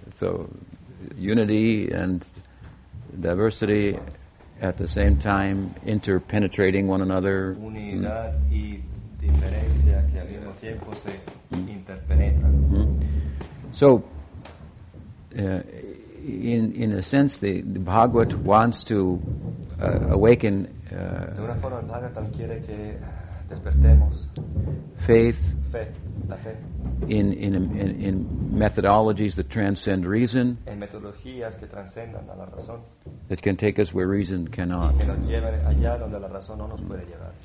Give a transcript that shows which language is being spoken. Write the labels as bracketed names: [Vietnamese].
[English] So, unity and diversity at the same time interpenetrating one another. [Spanish] Unidad y diferencia que al mismo tiempo se interpenetran. [English] So, in a sense, the Bhagavat wants to awaken. [Spanish] De una forma, el Bhagavatam quiere que despertemos. [English] Faith. [Spanish] Fe, la fe. [English] In methodologies that transcend reason, [Spanish] en metodologías que transcendan a la razón, [English] that can take us where reason cannot. [Spanish] Y que nos lleven allá donde la razón no nos puede llevar.